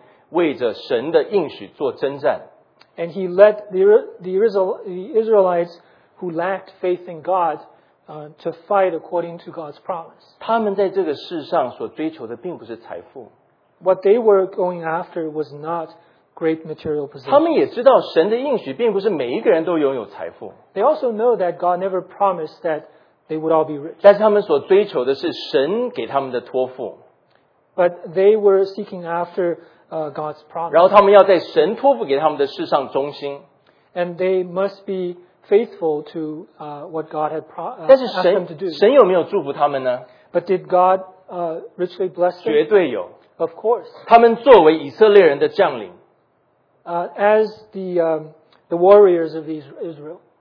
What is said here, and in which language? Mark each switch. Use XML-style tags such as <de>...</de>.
<zh>他也是带领这一群小信的以色列人在那边为着神的应许做征战。</zh> <en>And he led the Israelites who lacked faith in God to fight according to God's promise.</en> <zh>他们在这个世上所追求的并不是财富。</zh> <en>What they were going after was not great material possessions.</en> <zh>他们也知道神的应许并不是每一个人都拥有财富。</zh> <en>They also know that God never promised that they would all be rich.</en> <zh>但是他们所追求的是神给他们的托付。</zh> <en>But they were seeking after God's promise.</en> <zh>然后他们要在神托付给他们的事上忠心。</zh> <en>And they must be faithful to what God had asked them to do.</en> <zh>神有没有祝福他们呢?</zh> <en>But did God richly bless them?</en> <zh>绝对有。</zh> <en>Of course.</en> <zh>他们作为以色列人的将领。</zh> <en>As the warriors of Israel,</en>